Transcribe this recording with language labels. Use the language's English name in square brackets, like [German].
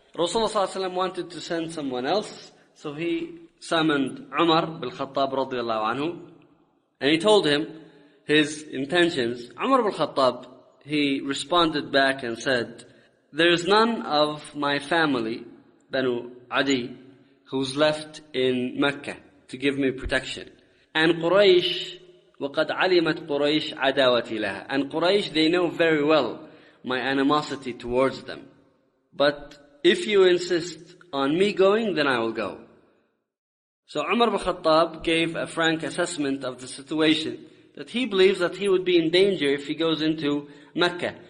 [English] Rasulullah ﷺ wanted to send someone else, so he summoned Umar bin Khattab radiallahu anhu, and he told him his intentions. Umar bin Khattab, he responded back and said, "There is none of my family, Banu Adi, who's left in Mecca to give me protection. [Arabic] And Quraysh, وَقَدْ عَلِمَتْ قُرَيْشْ عَدَاوَةِ لَهَا. [English] And Quraysh, they know very well my animosity towards them. But if you insist on me going, then I will go." So Umar bin Khattab gave a frank assessment of the situation, that he believes that he would be in danger if he goes into Mecca.